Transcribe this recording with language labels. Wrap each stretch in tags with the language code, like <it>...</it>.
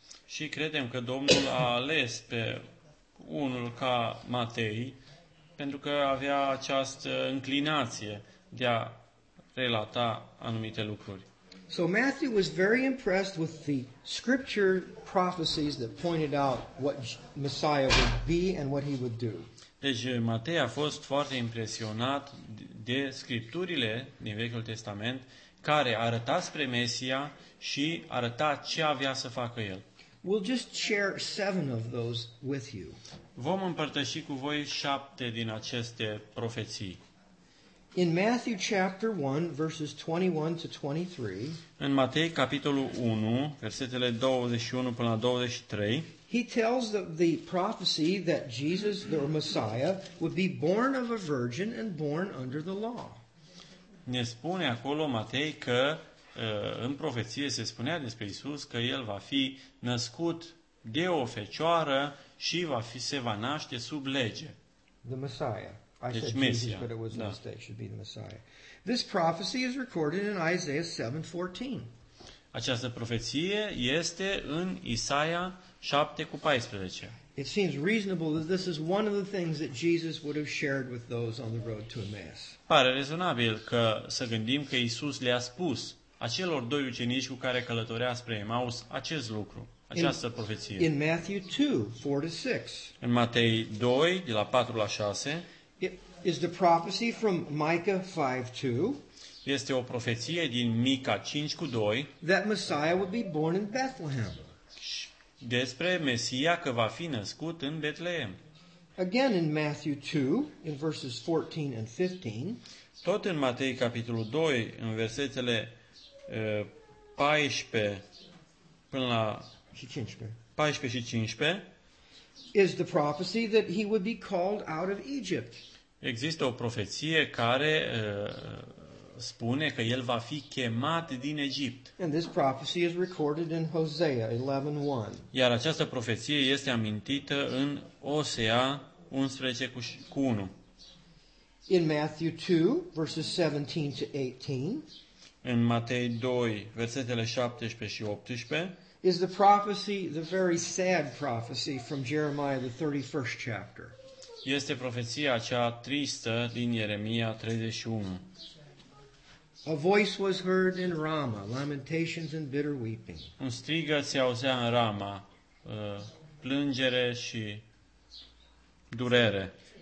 <ro>Și credem că Domnul a ales pe unul ca Matei pentru că avea această înclinație de a relata anumite lucruri.</ro> <en>So Matthew was very impressed with the scripture prophecies that pointed out what Messiah would be and what he would do.</en> <ro>Deci Matei a fost foarte impresionat de scripturile din Vechiul Testament care arăta spre Mesia și arăta ce avea să facă el.</ro> <en>We'll just share 7 of those with you.</en> <ro>Vom împărtăși cu voi 7 din aceste profeții.</ro> <en>In Matthew chapter 1 verses 21 to 23.</en> <ro>În Matei capitolul 1, versetele 21 până la 23.</ro> <en>He tells the prophecy that Jesus the Messiah would be born of a virgin and born under the law.</en> <ro>Ne spune acolo Matei că în profeție se spunea despre Isus că el va fi născut de o fecioară și se va naște sub lege.</ro> <en>The Messiah.</en> <ro>Deci,</ro> <en>I said Jesus, but it was a mistake. Should be the Messiah. This prophecy is recorded in Isaiah 7:14.</en> <ro>Această profeție este în Isaia 7:14.</ro> <en>It seems reasonable that this is one of the things that Jesus would have shared with those on the road to Emmaus.</en> <ro>Pare rezonabil că să gândim că Isus le-a spus acelor doi ucenici cu care călătorea spre Emaus acest lucru.</ro> <en>In Matthew 2:4-6.</en> <ro>În Matei 2 de la 4 la 6.</ro> <en>It is the prophecy from Micah 5:2.</en> <ro>Este o profeție din Mica 5:2.</ro> <en>That Messiah would be born in Bethlehem.</en> <ro>despre Mesia că va fi născut în Betleem.</ro> <en>Again in Matthew 2 in verses 14 and 15.</en> <ro>Tot în Matei capitolul 2 în versetele 14 și 15.</ro> <en>Is the prophecy that he would be called out of Egypt.</en> <ro>Există o profeție care spune că el va fi chemat din Egipt.</ro> <en>And this prophecy is recorded in Hosea 11:1.</en> <ro>Iar această profeție este amintită în Osea 11:1.</ro> <en>In Matthew 2 verses 17 to 18.</en> <ro>În Matei 2 versetele 17 și 18.</ro> <en>Is the prophecy the very sad prophecy from Jeremiah the 31st chapter.</en> <ro>Este profeția cea tristă din Ieremia 31.</ro> <en>A voice was heard in Rama, lamentations and bitter weeping.</en> <ro>Un strigăt se auzea în Rama, plângere și durere.</ro>